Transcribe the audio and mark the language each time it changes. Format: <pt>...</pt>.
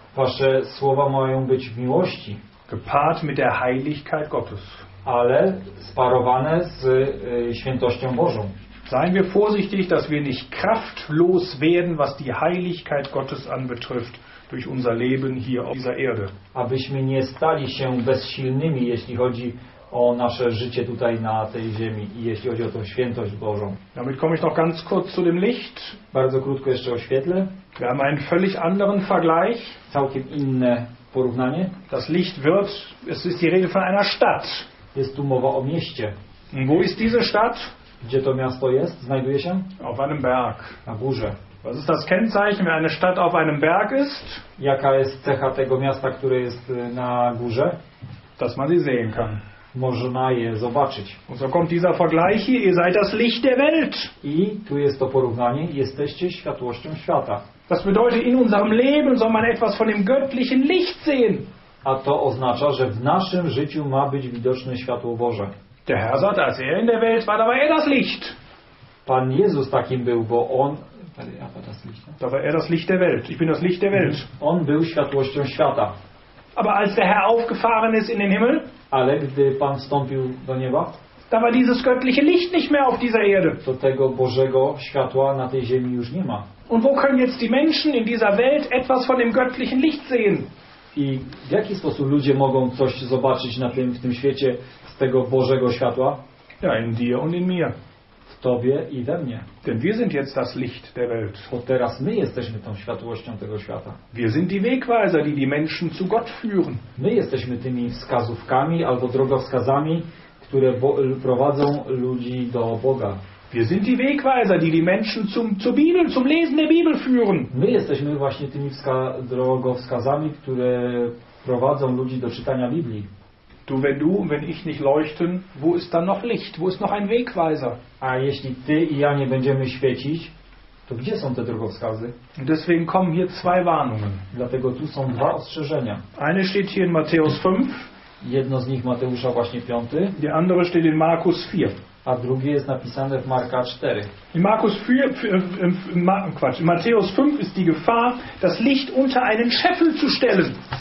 <pl>Wasze słowa mają być w miłości.</pl> <de>Gepaart mit der Heiligkeit Gottes.</de> <pl>Ale sparowane z świętością Bożą.</pl> <de>Seien wir vorsichtig, dass wir nicht kraftlos werden, was die Heiligkeit Gottes anbetrifft, durch unser Leben hier auf dieser Erde.</de> <pl>Abyśmy nie stali się bezsilnymi, jeśli chodzi o nasze życie tutaj na tej ziemi i jeśli chodzi o tą świętość Bożą.</pl> <de>Damit komme ich noch ganz kurz zu dem Licht.</de> <pl>Bardzo krótko jeszcze o świetle.</pl> <de>Wir haben einen völlig anderen Vergleich.</de> <pl>Całkiem inne porównanie.</pl> <de>Das Licht wird, es ist die Rede von einer Stadt.</de> <pl>Jest tu mowa o mieście.</pl> <de>Und wo ist diese Stadt?</de> <pl>Gdzie to miasto jest? Znajduje się?</pl> <de>Auf einem Berg.</de> <pl>Na górze.</pl> <de>Was ist das Kennzeichen, wenn eine Stadt auf einem Berg ist?</de> <pl>Jaka jest cecha tego miasta, które jest na górze?</pl> <de>Dass man sie sehen kann.</de> <pl>Można je zobaczyć.</pl> <de>Und so kommt dieser Vergleich hier, ihr seid das Licht der Welt.</de> <pl>I tu jest to porównanie, jesteście światłością świata.</pl> <de>Das bedeutet, in unserem Leben soll man etwas von dem göttlichen Licht sehen.</de> <pl>A to oznacza, że w naszym życiu ma być widoczne światło Boże.</pl> <de>Der Herr sagt, als er in der Welt war, da war er das Licht.</de> <pl>Pan Jezus takim był, bo on...</pl> <de>Da war er das Licht der Welt. Ich bin das Licht der Welt.</de> <pl>On był światłością świata.</pl> <de>Aber als der Herr aufgefahren ist in den Himmel,</de> <pl>ale gdy Pan wstąpił do nieba,</pl> <de>da war dieses göttliche Licht nicht mehr auf dieser Erde.</de> <pl>To tego Bożego światła na tej ziemi już nie ma.</pl> <de>Und wo können jetzt die Menschen in dieser Welt etwas von dem göttlichen Licht sehen?</de> <pl>I w jaki sposób ludzie mogą coś zobaczyć na tym, w tym świecie z tego Bożego światła?</pl> <de>Ja, in dir und in mir.</de> <pl>W tobie i we mnie.</pl> <de>Denn wir sind jetzt das Licht der Welt.</de> <pl>Bo teraz my jesteśmy tą światłością tego świata.</pl> <de>Wir sind die Wegweiser, die Menschen zu Gott führen.</de> <pl>My jesteśmy tymi wskazówkami albo drogowskazami, które prowadzą ludzi do Boga.</pl> <de>Wir sind die Wegweiser, die Menschen zur Bibel, zum Lesen der Bibel führen.</de> <pl>My jesteśmy właśnie tymi drogowskazami, które prowadzą ludzi do czytania Biblii.</pl> <de>Du, wenn du und wenn ich nicht leuchten, wo ist dann noch Licht? Wo ist noch ein Wegweiser?</de> <pl>A jeśli ty i ja nie będziemy świecić, to gdzie są te drogowskazy?</pl> <de>Und deswegen kommen hier zwei Warnungen.</de> <pl>Dlatego tu są dwa ostrzeżenia.</pl> <de>Eine steht hier in Matthäus 5.</de> <pl>Jedno z nich Mateusza właśnie 5.</pl> <de>Die andere steht in Markus 4.</de> <pl>A drugie jest napisane w Marka 4.</pl> <de>In Markus 4, in Matthäus 5 ist die Gefahr, das Licht unter einen Scheffel zu stellen.</de>